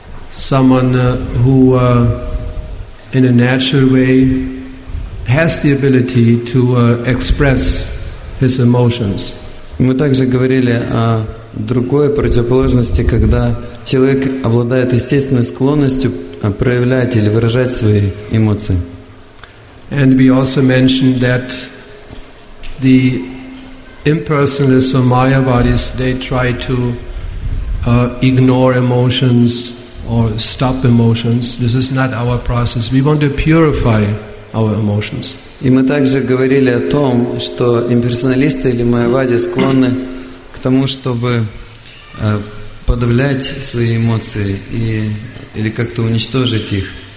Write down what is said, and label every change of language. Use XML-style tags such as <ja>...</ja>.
<en>Someone who, in a natural way, has the ability to express his emotions.</en> <ru>Мы также говорили о другой противоположности, когда человек обладает естественной склонностью проявлять или выражать свои эмоции.</ru> <en>And we also mentioned that the impersonalists or Mayavadis, they try to ignore emotions or stop emotions. This is not our process. We want to purify our emotions.</en> <ru>И мы также говорили о том, что имперсоналисты или Майявади склонны к тому, чтобы подавлять свои эмоции и, или как-то уничтожить их.</ru>